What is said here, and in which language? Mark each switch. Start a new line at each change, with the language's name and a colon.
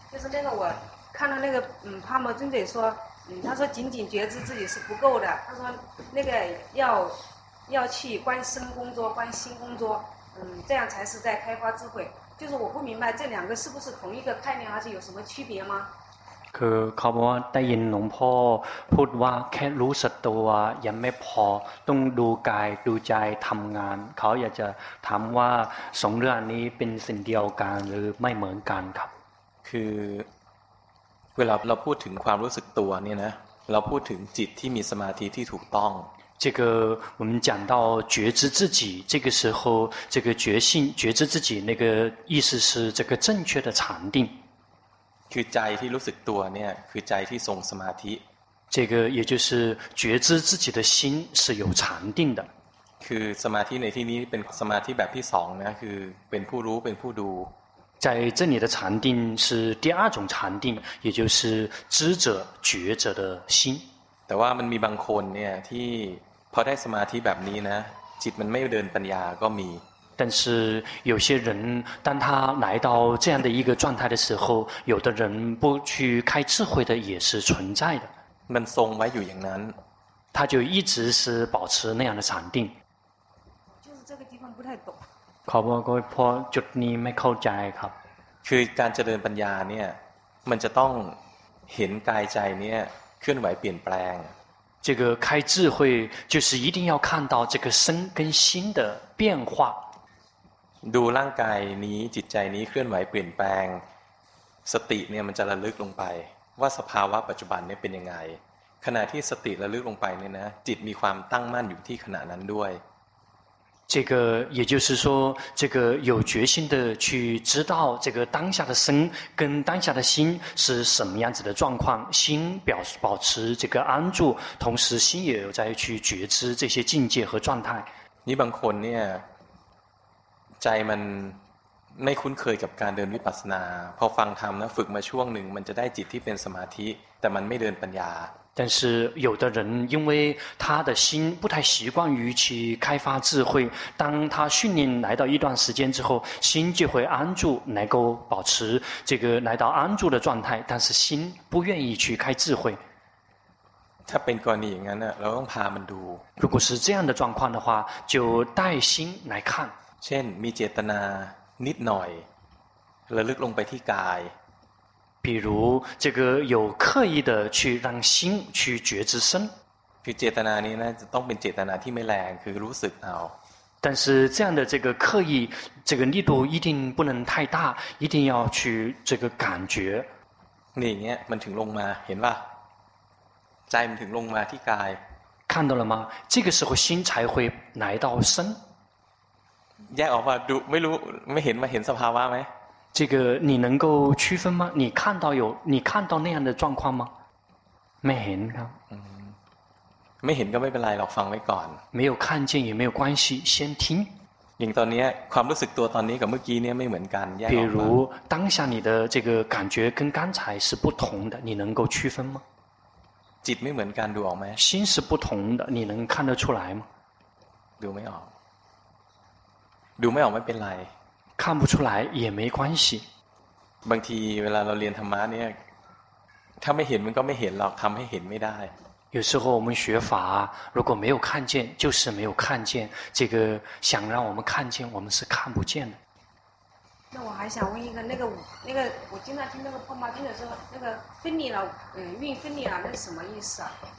Chinese: 那个我看到那个帕摩尊者说他说仅仅觉知自己是不够的他说那个要去观身工作观心工作这样才是在开发智慧就是我不明白这两个是不是同一个概念还是有什么区别吗
Thai: คือเขาบอกว่าได้ยินหลวงพ่อพูดว่าแค่รู้สตัวยังไม่พอต้องดูกายดูใจทำงานเขาอยากจะถามว่าสองเรื่องนี้เป็นสิ่งเดียวกันหรือไม่เหมือนกันครับ คือเ วลาเราพูดถึงความรู้สึกตัวเนี่ยนะเราพูดถึงจิตที่มีสมาธิที่ถูกต้อง
Chinese: 这个我们讲到觉知自己，这个时候这个觉性觉知自己，那个意思是这个正确的禅定。
Thai: คือใจที่รู้สึกตัวเนี่ยคือใจที่ทรงสมาธิ
Chinese: 这个也就是觉知自己的心是有禅定的。
Thai: คือสมาธิในที่นี้เป็นสมาธิแบบที่สองนะคือเป็นผู้รู้เป็นผู้ดู。
Chinese: 在这里的禅定是第二种禅定，也就是知者觉者的心。
Thai: แต่ว่ามันมีบางคนเนี่ยที่พอได้สมาธิแบบนี้นะจิตมันไม่เดินปัญญาก็มี
Chinese: 但是有些人当他来到这样的一个状态的时候有的人不去开智慧的也是存在的
Thai: มันทรงไว้อยู่อย่างนั้น
Chinese: 他就一直是保持那样的禅定就是这个地方不太懂
Thai: ขอบอกว่าพอจุดนี้ไม่เข้าใจครับ คือการเจริญปัญญาเนี่ยมันจะต้องเห็นกายใจเนี่ยเคลื่อนไหวเปลี่ยนแปลง
Chinese: 这个开智慧就是一定要看到这个身跟心的变化
Thai: ดูร่างกายนี้จิตใจนี้เคลื่อนไหวเปลี่ยนแปลงสติเนี่ยมันจะระลึกลงไปว่าสภาวะปัจจุบันเนี่ยเป็นยังไงขณะที่สติระลึกลงไปเนี่ยนะจิตมีความตั้งมั่นอยู่ที่ขณะนั้นด้วย
Chinese: 这个也就是说这个有决心的去知道这个当下的身跟当下的心是什么样子的状况心表保持这个安住同时心也有在去觉知这些境界和状态你
Thai: บางคนเนี่ยใจมันไม่คุ้นเคยกับการเดินวิปัสสนาพอฟังธรรมแล้วฝึกมาช่วงหนึ่งมันจะได้จิตที่เป็นสมาธิแต่มันไม่เดินปัญญา
Chinese: 但是有的人因为他的心不太习惯于去开发智慧当他训练来到一段时间之后心就会安住能够保持这个来到安住的状态但是心不愿意去开智慧
Thai: ถ้าเป็นกรณีอย่างนั้นเราต้องพามันดู
Chinese: 如果是这样的状况的话就带心来看
Thai: เช่นมีเจตนานิดหน่อยระลึกลงไปที่กาย
Chinese: 比如这个有刻意的去让心去觉知身
Thai: คือเจตนานี้นะจะต้องเป็นเจตนาที่ไม่แรงคือรู้สึกเอา
Chinese: 但是这样的这个刻意这个力度一定不能太大一定要去这个感觉
Thai: นี่เงี้ยมันถึงลงมาเห็นป่ะใจมันถึงลงมาที่กาย
Chinese: 看到了吗这个时候心才会来到身
Thai: แยกออกมาดูไม่รู้ไม่เห็นมาเห็นสภาวะไหม
Chinese: 这个你能够区分吗？你看到有你看到那样的状况吗？没见啊。嗯，没见就没关系，我放
Thai: ไว้ก่อน。
Chinese: 没有看见也没有关系，先听。
Thai: อย่างตอนนี้ความรู้สึกตัวตอนนี้กับเมื่อกี้เนี่ยไม่เหมือนกันแยกออกมา。
Chinese: 比如当下你的这个感觉跟刚才是不同的，你能够区分吗？
Thai: จิตไม่เหมือนกันดูออกไหม？
Chinese: 心是不同的，你能看得出来吗？
Thai: ดูไม่ออก。 ดูไม่ออกไม่เป็นไร。
Chinese: 看不出来也没关系
Thai: บางทีเวลาเราเรียนธรรมะเนี่ยถ้าไม่เห็นมันก็ไม่เห็นหรอกทำให้เห็นไม่ได้
Chinese: 有时候我们学法如果没有看见就是没有看见这个想让我们看见我们是看不见的那我还想问一个那个我经常听那个破马听的时候那个分离了运分离了那是什么意思啊